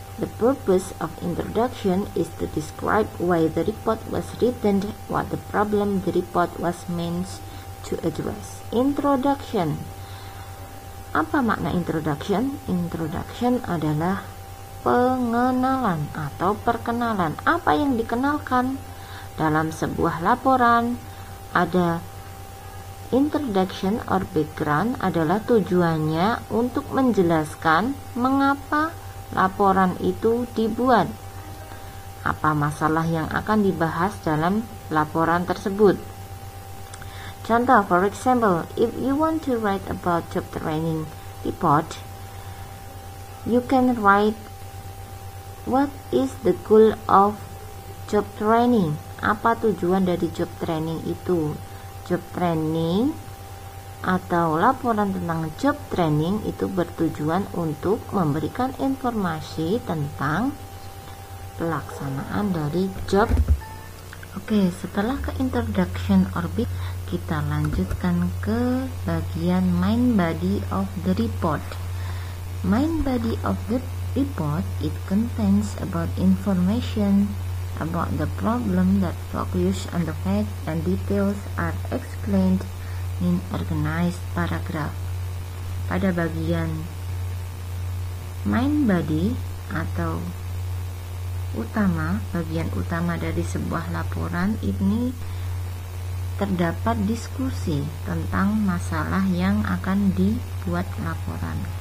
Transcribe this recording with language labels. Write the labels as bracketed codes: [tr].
[en] The purpose of introduction is to describe why the report was written, what the problem the report was meant to address. [id] Introduction. Apa makna introduction? Introduction adalah pengenalan atau perkenalan. Apa yang dikenalkan dalam sebuah laporan? Ada introduction or background adalah tujuannya untuk menjelaskan mengapa laporan itu dibuat. Apa masalah yang akan dibahas dalam laporan tersebut? Contoh, [en] for example, if you want to write about job training report, you can write what is the goal of job training? [id] Apa tujuan dari job training itu? Job training atau laporan tentang job training itu bertujuan untuk memberikan informasi tentang pelaksanaan dari job. Oke, setelah ke introduction orbit, kita lanjutkan ke bagian [en] main body of the report. Main body of the report, it contains about information about the problem that focus on the facts and details are explained in organized paragraph. [id] Pada bagian main body atau utama, bagian utama dari sebuah laporan ini terdapat diskusi tentang masalah yang akan dibuat laporan.